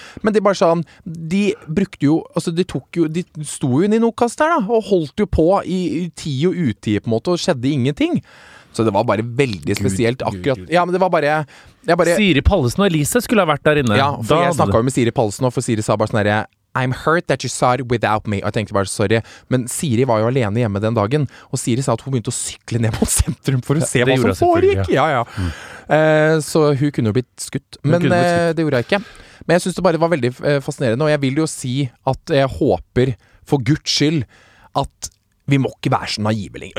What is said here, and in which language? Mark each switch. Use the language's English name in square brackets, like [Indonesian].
[Norwegian] Men de bare sånn, de... brukte jo, altså de tok jo, de sto jo inn i Nokas der da, og holdt jo på i tid og uttid på en måte, og skjedde ingenting. Så det var bare veldig spesielt akkurat, ja, men det var bare, Siri Paulsen og Elise skulle ha vært der inne. Ja, for da, jeg snakket jo med Siri Paulsen, og for Siri sa bare sånn her, [English] I'm hurt that you saw it without me. [Norwegian] Og jeg tenkte bare, [English] sorry. [Norwegian] Men Siri var jo alene hjemme den dagen, og Siri sa at hun begynte å sykle ned mot sentrum for å se hva som foregikk. Ja, ja. Så hun kunne jo blitt skutt. Men det gjorde jeg ikke. Men jeg synes det bare var veldig fascinerende, og jeg vil jo si at jeg håper, for Guds skyld, at vi må ikke være så naive lenger.